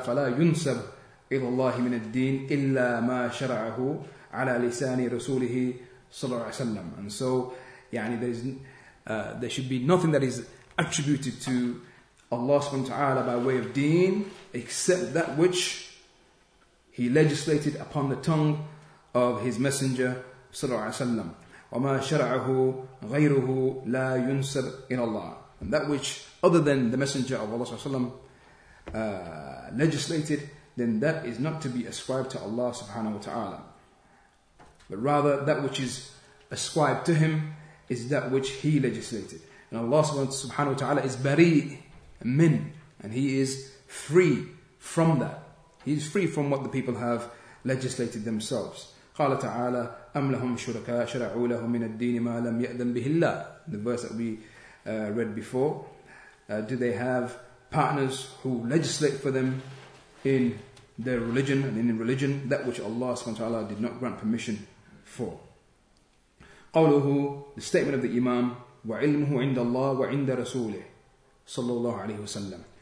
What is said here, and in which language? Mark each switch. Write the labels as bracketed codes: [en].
[ar] فَلَا يُنْسَبْ إِلَى اللَّهِ مِنَ الدِّينِ إِلَّا مَا شَرَعَهُ عَلَى لِسَانِ رَسُولِهِ صَلَّى اللَّهُ عَلَيْهِ وَسَلَّمَ. [en] And so يعني there is there should be nothing that is attributed to Allah subhanahu wa ta'ala by way of deen except that which he legislated upon the tongue of his messenger sallallahu alaihi wasallam. [ar] وما شرعه غيره لا ينسب إلى الله. [en] And that which other than the messenger of Allah sallallahu alaihi wasallam legislated, then that is not to be ascribed to Allah subhanahu wa ta'ala. But rather that which is ascribed to him is that which he legislated. And Allah subhanahu wa ta'ala is bari min, and he is free from that. He is free from what the people have legislated themselves. [ar] قال تعالى أم لهم شركاء شرعوا لهم من الدين ما لم يأذن به الله. [en] The verse that we read before. Do they have partners who legislate for them in their religion and in religion that which Allah subhanahu wa ta'ala did not grant permission for? [ar] قوله, [en] the statement of the Imam, [ar] وعلمه عند الله وعند رسوله صلى الله عليه وسلم.